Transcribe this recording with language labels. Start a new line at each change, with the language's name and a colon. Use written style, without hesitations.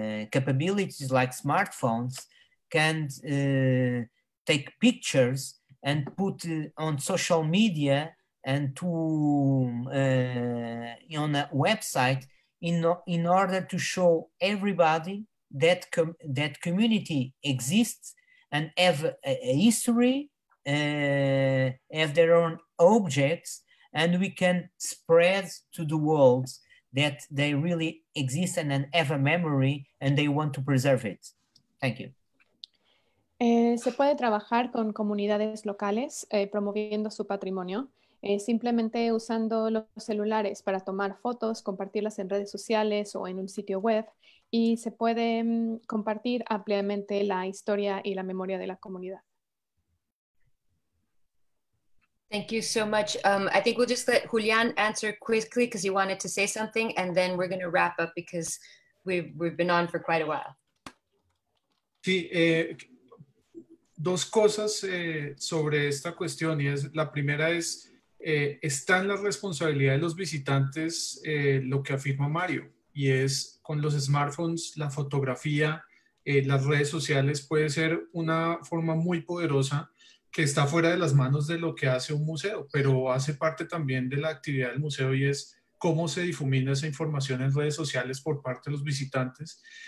English: capabilities like smartphones can take pictures and put on social media and to on a website in order to show everybody that that community exists and have a history, have their own objects, and we can spread to the world that they really exist and have a memory and they want to preserve it. Thank you.
Spanish: Se puede trabajar con comunidades locales promoviendo su patrimonio, simplemente usando los celulares para tomar fotos, compartirlas en redes sociales o en un sitio web, y se puede compartir ampliamente la historia y la memoria de la comunidad.
English: Thank you so much. I think we'll just let Julian answer quickly because he wanted to say something, and then we're going to wrap up because we've been on for quite a while.
Spanish: Sí, dos cosas sobre esta cuestión, y es la primera es está en la responsabilidad de los visitantes lo que afirma Mario, y es con los smartphones, la fotografía, las redes sociales puede ser una forma muy poderosa que está fuera de las manos de lo que hace un museo, pero hace parte también de la actividad del museo y es cómo se difumina esa información en redes sociales por parte de los visitantes.